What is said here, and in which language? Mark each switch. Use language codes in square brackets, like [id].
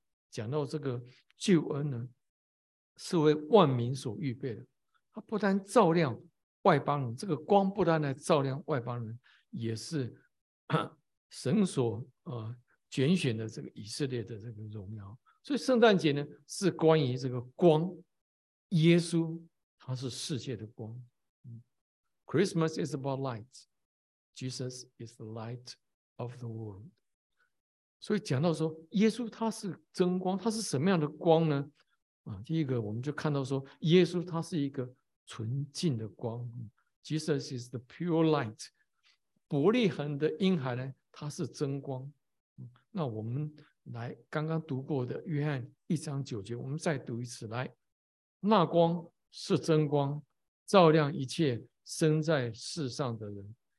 [zh] 讲到这个救恩呢，是为万民所预备的，它不单照亮外邦人，这个光不单来照亮外邦人，也是神所、拣选的这个以色列的这个荣耀。所以圣诞节呢是关于这个光，耶稣他是世界的光。 [en] Christmas is about light, Jesus is the light of the world。 [zh] 所以讲到说耶稣他是真光，他是什么样的光呢、第一个我们就看到说耶稣他是一个纯净的光、 [en] Jesus is the pure light。 [zh] 伯利恒的婴孩呢他是真光、那我们来刚刚读过的约翰1章9节我们再读一次，来，那光是真光，照亮一切生在世上的人。